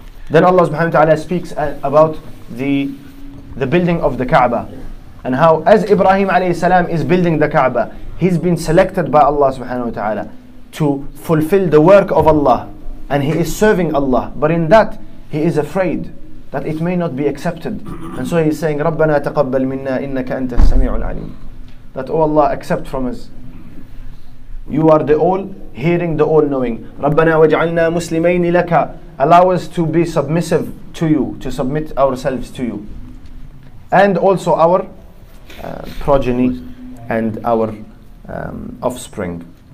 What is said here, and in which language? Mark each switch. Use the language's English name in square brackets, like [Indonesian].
[English] Then Allah subhanahu wa ta'ala speaks about the building of the Kaaba and how as Ibrahim alayhi salam is building the Kaaba, he's been selected by Allah subhanahu wa ta'ala to fulfill the work of Allah and he is serving Allah, but in that he is afraid that it may not be accepted. And so he's saying, [Arabic] رَبَّنَا تَقَبَّلْ مِنَّا إِنَّكَ أَنْتَ السَّمِيعُ الْعَلِيمُ. [English] That, oh Allah, accept from us. You are the all-hearing, the all-knowing. [Arabic] رَبَّنَا وَجْعَلْنَا مُسْلِمَيْنِ لَكَ. [English] Allow us to be submissive to you, to submit ourselves to you. And also our progeny and our offspring.